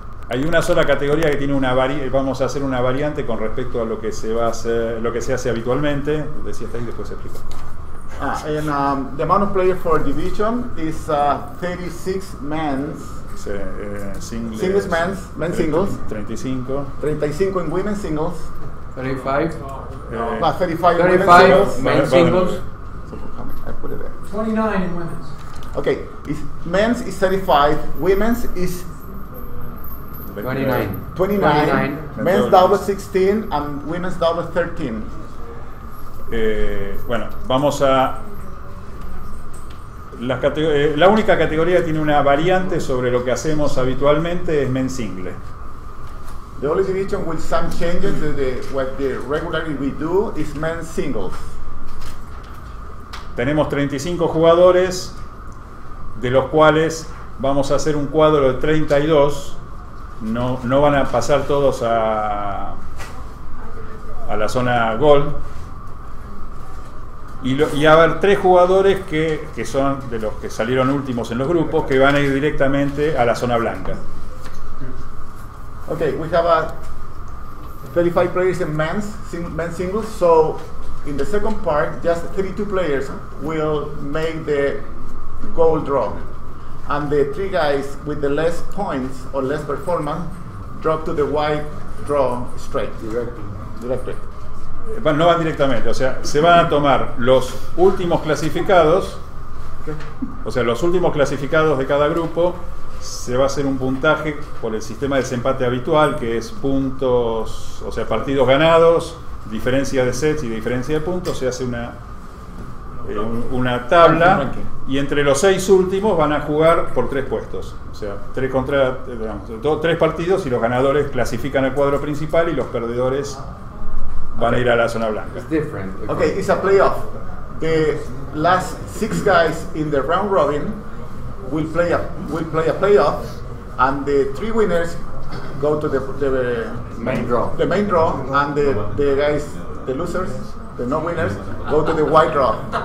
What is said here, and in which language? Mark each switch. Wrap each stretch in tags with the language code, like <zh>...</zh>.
<es>Hay una sola categoría que tiene vamos a hacer una variante con respecto a lo que se hace habitualmente. Decía hasta ahí, después se explica.</es> <en>The amount of players for division is 36 men. Singles men's, men singles. 35. 35 in women's singles. 35. 35 men's singles. I put it there. 29 in women's. Okay, if men's is 35, women's is 29. Men's double 16 and women's double 13.</en> <es>Bueno, vamos a la única categoría que tiene una variante sobre lo que hacemos habitualmente es men's single.</es> <en>The only division with some changes to what the regularly we do is men's singles.</en> <es>Tenemos 35 jugadores, de los cuales vamos a hacer un cuadro de 32. No van a pasar todos a la zona gold. Y a haber tres jugadores que son de los que salieron últimos en los grupos que van a ir directamente a la zona blanca.</es> <en>Okay, we have a 35 players in men's singles. So in the second part, just 32 players will make the goal draw, and the three guys with the less points or less performance drop to the white draw straight. Directly.</en> <es>No van directamente, o sea, se van a tomar los últimos clasificados, o sea, los últimos clasificados de cada grupo, se va a hacer un puntaje por el sistema de desempate habitual, que es puntos, o sea, partidos ganados, diferencia de sets y diferencia de puntos, se hace una tabla, y entre los seis últimos van a jugar por tres puestos, o sea, tres partidos, y los ganadores clasifican al cuadro principal y los perdedores van a ir a la zona blanca.</es> <en>It's different. Okay, it's a playoff. The last six guys in the round robin will play a playoff, and the three winners go to the main draw. The main draw, and the guys, the losers, the no winners, go to the white draw.</en>